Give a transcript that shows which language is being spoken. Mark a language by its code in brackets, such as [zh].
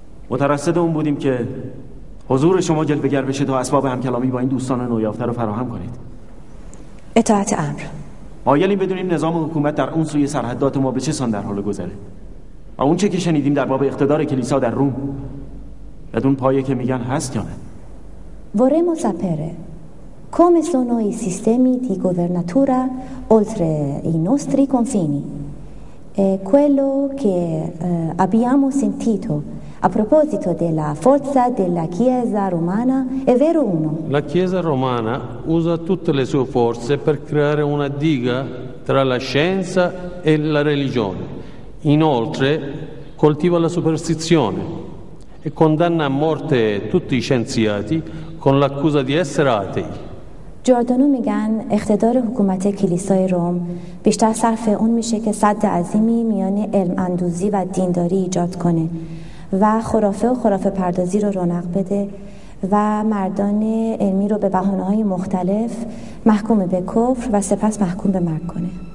[fa] مترصد اون بودیم که حضور شما جلوه‌گر بشه تا اسباب همکلامی با این دوستان نویافته رو فراهم کنید. اطاعت امر. مایلیم بدونیم نظام حکومت در اون سوی سرحدات ما به چه سان در حال گذره و اون چه که شنیدیم در باب اقتدار کلیسا در روم بدون پایه که میگن هست یا نه. [it] Vorremmo sapere come sono i sistemi di governatura oltre i nostri confini. E quello che abbiamo sentito a proposito della forza della Chiesa romana è vero uno? La Chiesa romana usa tutte le sue forze per creare una diga tra la scienza e la religione. Inoltre coltiva la superstizione e condanna a morte tutti i scienziati con l'accusa di essere atei. [fa] Giordano میگن اقتدار حکومت کلیسای روم بیشتر صرف اون میشه که سد عظیمی میان علم اندوزی و دینداری ایجاد کنه و خرافه و خرافه پردازی رو رونق بده و مردان علمی رو به بهانه های مختلف محکوم به کفر و سپس محکوم به مرگ کنه.